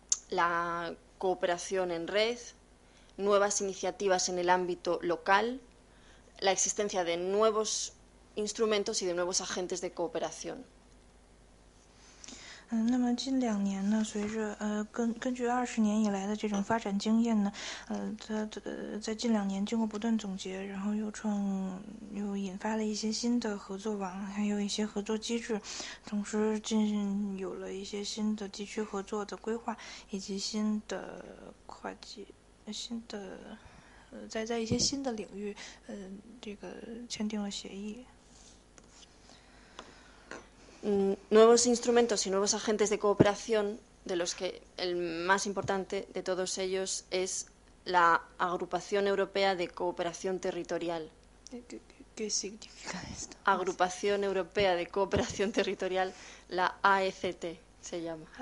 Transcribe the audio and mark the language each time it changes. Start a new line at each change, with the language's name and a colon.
Spanish: la cooperación en red, nuevas iniciativas en el ámbito local, la existencia de nuevos instrumentos y de nuevos agentes de cooperación.
Chinese: 那么近两年呢，随着根据20年以来的这种发展经验呢，在近两年经过不断总结，然后又引发了一些新的合作网，还有一些合作机制，同时进行有了一些新的地区合作的规划，以及新的跨界新的在一些新的领域，这个签订了协议。
Spanish: Nuevos instrumentos y nuevos agentes de cooperación, de los que el más importante de todos ellos es la Agrupación Europea de Cooperación Territorial. ¿Qué significa esto? Agrupación Europea de Cooperación Territorial, la AECT se llama.